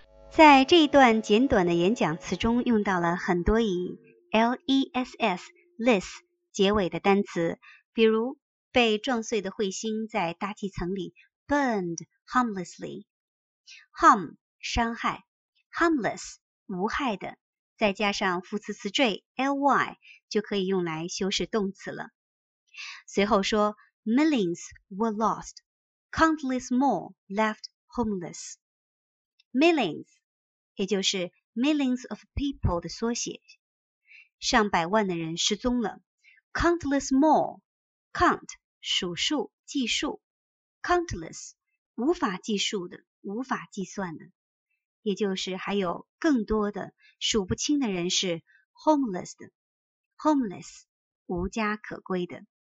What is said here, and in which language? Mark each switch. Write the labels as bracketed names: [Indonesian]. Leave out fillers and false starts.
[Chinese] 在这一段简短的演讲词中，用到了很多以 LESS less 结尾的单词，比如被撞碎的彗星在大气层里 [English] burned harmlessly， [Chinese] harm 伤害， harmless 无害的，再加上副词词缀 ly 就可以用来修饰动词了。随后说 [English] millions were lost， countless more left homeless， millions。 [Chinese] 也就是 [English] millions of people [Chinese] 的缩写，上百万的人失踪了。 [English] Countless more， [Chinese] count 数数计数， countless 无法计数的，无法计算的，也就是还有更多的数不清的人是 homeless 的， homeless 无家可归的。